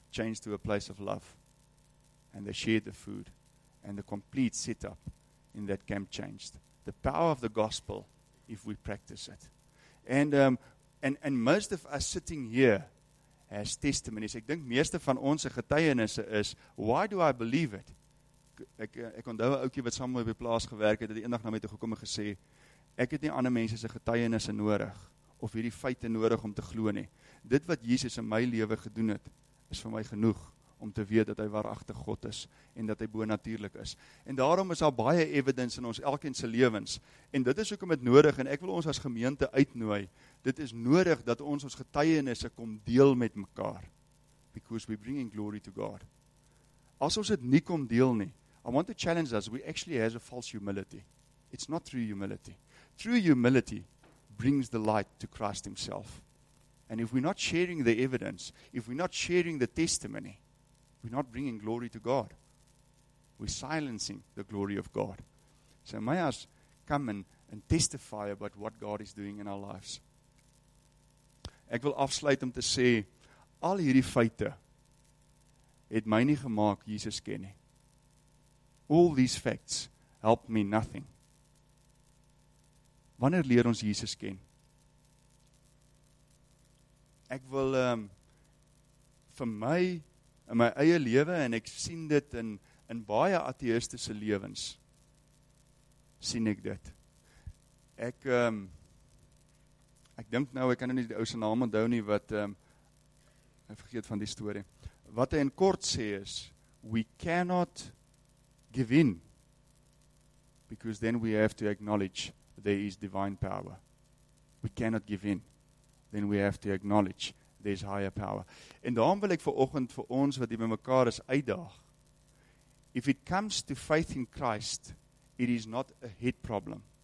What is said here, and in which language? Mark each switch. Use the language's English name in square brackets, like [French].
[English] changed to a place of love. And they shared the food. And the complete setup in that camp changed. The power of the gospel if we practice it. And most of us sitting here as testimonies. [Afrikaans] Ek dink meeste van ons getuienisse is, [English] why do I believe it? [Afrikaans] Ek onthou 'n ouetjie wat saam met my op die plaas gewerk het, het eendag na my toe gekom en gesê, ek het nie ander mense se getuienisse nodig, of hierdie feite nodig om te glo nie. Dit wat Jesus in my lewe gedoen het, is vir my genoeg om te weet dat hy waaragtig God is, en dat hy bonatuurlik is. En daarom is daar baie evidence in ons elkeen se lewens, en dit is hoekom dit nodig, en ek wil ons as gemeente uitnooi, dit is nodig dat ons getuienisse kom deel met mekaar, [English] because we're bringing glory to God. [Afrikaans] As ons dit nie kom deel nie, [English] I want to challenge us, we actually have a false humility. It's not true humility. True humility brings the light to Christ himself. And if we're not sharing the evidence, if we're not sharing the testimony, we're not bringing glory to God. We're silencing the glory of God. So may us come and testify about what God is doing in our lives. [Afrikaans] Ek wil afsluit om te sê, al hierdie feite het my nie gemaak Jesus ken nie. [English] All these facts help me nothing. [Afrikaans] Wanneer leer ons Jesus ken? Ek wil vir my in my eie lewe, en ek sien dit in baie ateïstiese lewens, sien ek dit. Ek dink nou, ek kan nie die ou se naam onthou nie, wat, ek vergeet van die story. Wat hy in kort sê is, [English] we cannot give in, because then we have to acknowledge there is divine power. We cannot give in, then we have to acknowledge there is higher power. [Afrikaans] En daarom wil ek vanoggend vir ons wat hier by mekaar is uitdaag, [English] if it comes to faith in Christ, it is not a head problem.